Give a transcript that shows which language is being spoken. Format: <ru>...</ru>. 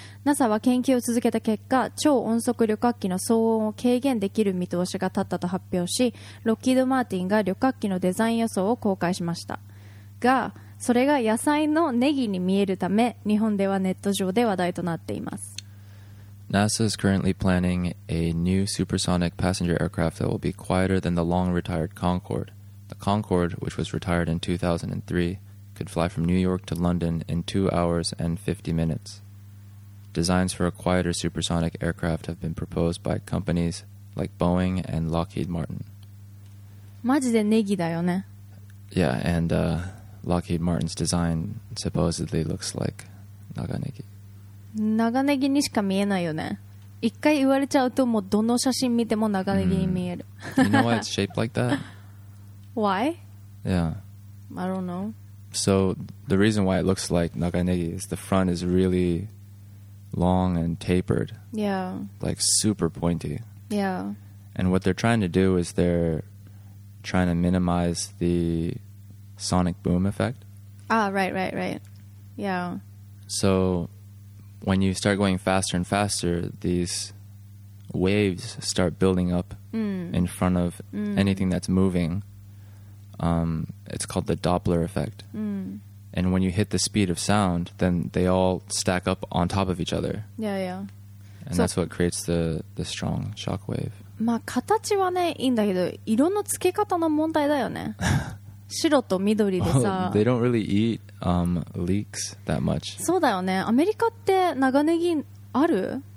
<ja>NASA は研究を続けた結果、超音速旅客機の騒音を軽減できる見通しが立ったと発表し、ロッキード・マーティンが旅客機のデザイン予想を公開しましたが、それが野菜のネギに見えるため日本ではネット上で話題となっています。</ja> <en>NASA is currently planning a new supersonic passenger aircraft that will be quieter than the long-retired Concorde. The Concorde, which was retired in 2003, could fly from New York to London in 2 hours and 50 minutes. Designs for a quieter supersonic aircraft have been proposed by companies like Boeing and Lockheed Martin.</en> <ja>マジでネギだよね。</ja> <en>Yeah, and Lockheed Martin's design supposedly looks like 長ネギ。</en> <ja>長ネギにしか見えないよね。一回言われちゃうと、もうどの写真見ても長ネギに見える。</ja> <en>You know why it's shaped like that? Why? Yeah. I don't know. So the reason why it looks like 長ネギ is the front is really long and tapered. Yeah. Like super pointy. Yeah. And what they're trying to do is they're trying to minimize the sonic boom effect. Ah, right, right, right. Yeah. So... When you start going faster and faster, these waves start building up in front of anything that's moving. It's called the Doppler effect. And when you hit the speed of sound, then they all stack up on top of each other. Yeah, yeah. And so, that's what creates the strong shock wave.</en> <ja>まあ形はね、いいんだけど、色の付け方の問題だよね。白と緑でさ、</ja> <en>well, they don't really eat, leeks that much.</en> <ja>そうだよね。アメリカって長ネギある？</ja>